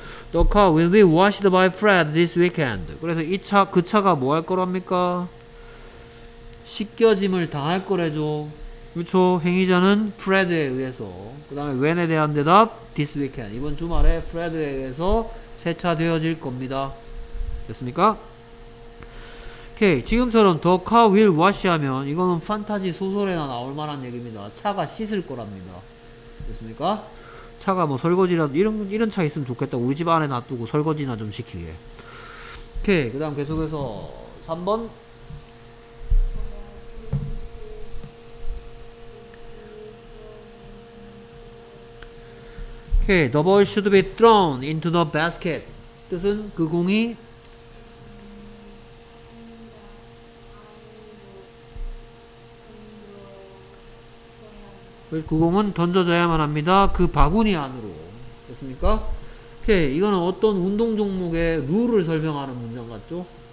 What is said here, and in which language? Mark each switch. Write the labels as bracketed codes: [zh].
[en] 더 car will be washed by Fred this weekend. [ko] 그래서 이 차, 그 차가 뭐 할 거랍니까? 씻겨짐을 당할 거래죠. 그렇죠. 행위자는 Fred에 의해서. 그 다음에 when에 대한 대답 this weekend. 이번 주말에 Fred에 의해서 세차되어질 겁니다. 됐습니까? 오케이. 지금처럼 [en] the car will wash [ko] 하면 이거는 판타지 소설에나 나올 만한 얘기입니다. 차가 씻을 거랍니다. 됐습니까? 차가 뭐 설거지라도 이런 차 있으면 좋겠다. 우리 집 안에 놔두고 설거지나 좀 시키게. 오케이. 그 다음 계속해서 3번. [en] 오케이, the ball should be thrown into the basket. [ko] 뜻은 그 공이 그 공은 던져져야만 합니다. 그 바구니 안으로. 됐습니까? 오케이, 이거는 어떤 운동 종목의 룰을 설명하는 문장 같죠?